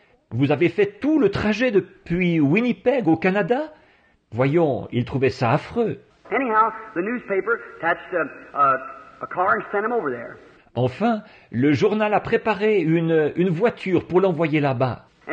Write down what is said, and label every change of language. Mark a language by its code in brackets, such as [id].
[fr] Vous avez fait tout le trajet depuis Winnipeg au Canada? Voyons, ils trouvaient ça affreux. [en] Anyhow, the newspaper attached a car and sent him over there. [fr] Enfin, le journal a préparé une voiture pour l'envoyer là-bas.